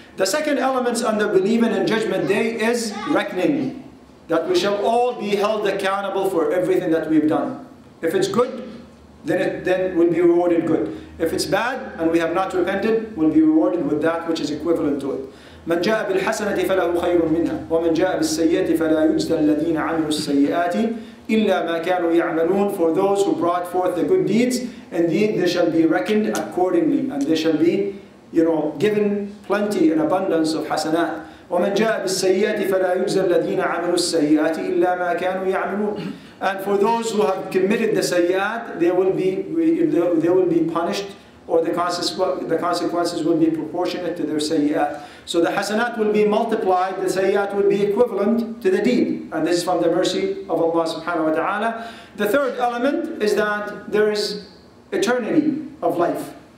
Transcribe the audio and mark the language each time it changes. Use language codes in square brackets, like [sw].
[en] The second element under believing in Judgment Day is reckoning, that we shall all be held accountable for everything that we've done. If it's good, then we'll be rewarded good. If it's bad and we have not repented, we'll be rewarded with that which is equivalent to it. [ar] من جاء بالحسنة فله خير منها ومن جاء بالسيئة فلا يجزى الذين عملوا السيئات إلا ما كانوا يعملون. [en] For those who brought forth the good deeds, indeed they shall be reckoned accordingly, and they shall be, you know, given plenty and abundance of حسنات. [ar] ومن جاء بالسيئة فلا يجزى الذين عملوا السيئات إلا ما كانوا يعملون. [en] And for those who have committed the سيئات, they will be punished, or the consequences will be proportionate to their sayyat. So the hasanat will be multiplied, the sayyat will be equivalent to the deed. And this is from the mercy of Allah subhanahu wa ta'ala. The third element is that there is eternity of life.